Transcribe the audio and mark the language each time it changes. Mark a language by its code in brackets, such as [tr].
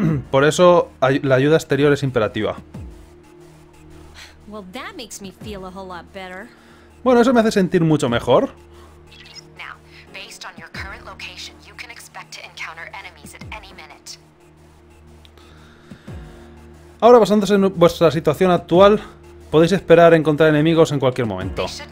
[es] Por eso, la ayuda exterior es imperativa. [en] Well, that makes me feel a whole lot better. [es] Bueno, eso me hace sentir mucho mejor. [en] Now, based on your current location, you expect to encounter enemies at any minute. [es] Ahora, basándose en vuestra situación actual, podéis esperar encontrar enemigos en cualquier momento.